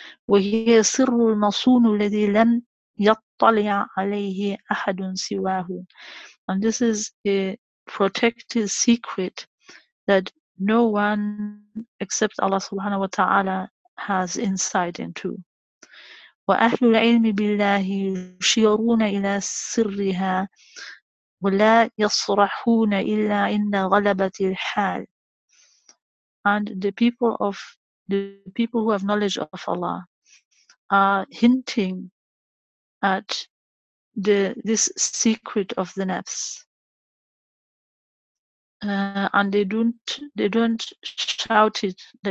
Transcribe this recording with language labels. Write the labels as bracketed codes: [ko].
[ar] وَهِيَ سِرُّ الْمَصُونُ الَّذِي لَمْ يَطَّلِعَ عَلَيْهِ أَحَدٌ سِوَاهُ. [en] And this is a protected secret that no one except Allah subhanahu wa ta'ala has insight into. [ar] وأهل العلم بالله يشيرون إلى سرها ولا يصرحون إلا عند غلبة الحال. [en] And the people who have knowledge of Allah are hinting at this secret of the nafs, and they don't shout it.